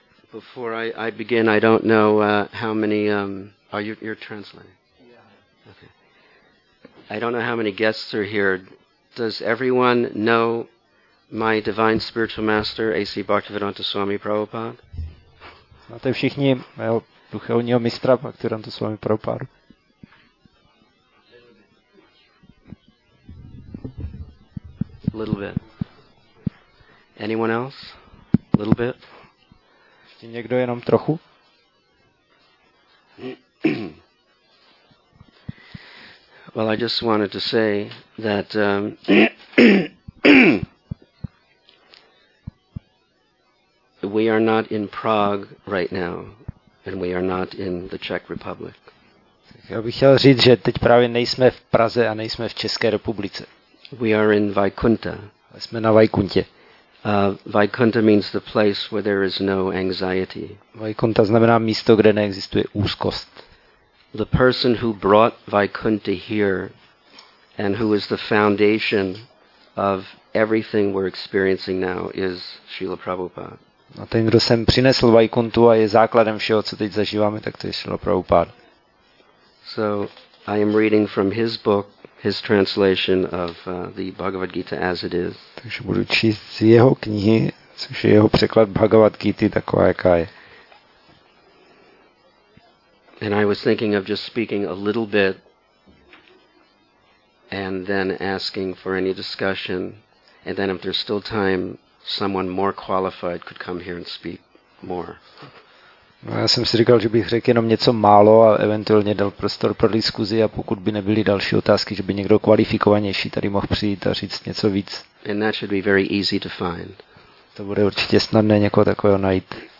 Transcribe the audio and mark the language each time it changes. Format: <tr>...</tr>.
<en>Before I begin, I don't know how many. You're translating. Yeah. Okay. I don't know how many guests are here. Does everyone know my divine spiritual master, A.C. Bhaktivedanta Swami Prabhupada?</en> <cs>Máte všichni mého duchovního mistra, Bhaktivedanta Swami Prabhupada?</cs> <en>A little bit. Anyone else? A little bit.</en> <cs>Ještě někdo jenom trochu?</cs> <en>Well, I just wanted to say that we are not in Prague right now, and we are not in the Czech Republic.</en> <cs>Já bych chtěl říct, že teď právě nejsme v Praze a nejsme v České republice.</cs> <en>We are in Vaikuntha.</en> <cs>Jsme na Vaikuntě.</cs> <en>Vaikuntha means the place where there is no anxiety.</en> <cs>Vaikuntha znamená místo, kde neexistuje úzkost.</cs> <en>The person who brought Vaikuntha here and who is the foundation of everything we're experiencing now is Srila Prabhupada.</en> <cs>A ten, kdo sem přinesl Vaikuntu a je základem všeho, co teď zažíváme, tak to je Srila Prabhupada.</cs> <en>So I am reading from his book, his translation of the Bhagavad Gita as it is.</en> <cs>Takže budu číst z jeho knihy, což je jeho překlad Bhagavad Gita taková, jaká je.</cs> <en>And I was thinking of just speaking a little bit and then asking for any discussion, and then if there's still time, someone more qualified could come here and speak more.</en> <cs>No, já jsem si říkal, že bych řekl jenom něco málo a eventuálně dal prostor pro diskuzi, a pokud by nebyly další otázky, že by někdo kvalifikovanější tady mohl přijít a říct něco víc.</cs> <en>And that should be very easy to find.</en> <cs>To bude určitě snadné někoho takového najít.</cs>